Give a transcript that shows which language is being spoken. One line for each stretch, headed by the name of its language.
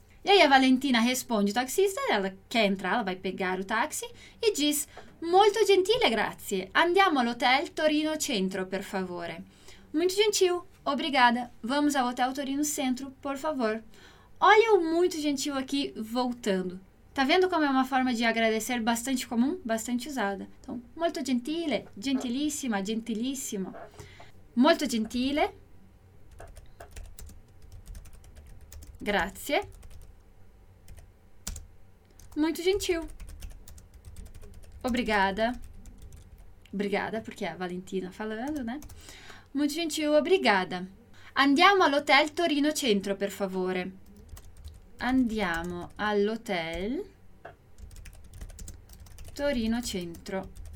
Portuguese: E aí a Valentina responde o taxista, ela quer entrar, ela vai pegar o táxi e diz,
Italian: molto gentile, grazie, andiamo all'hotel Torino Centro, per favore.
Portuguese: Muito gentil, obrigada, vamos ao hotel Torino Centro, por favor. Olha o muito gentil aqui voltando. Tá vendo como é uma forma de agradecer bastante comum, bastante usada?
Italian: Então, molto gentile, gentilissima, gentilissimo. Molto gentile. Grazie.
Portuguese: Muito gentil. Obrigada. Obrigada, porque é a Valentina falando, né? Muito gentil, obrigada.
Italian: Andiamo all'hotel Torino Centro, per favore. Andiamo all'hotel Torino Centro.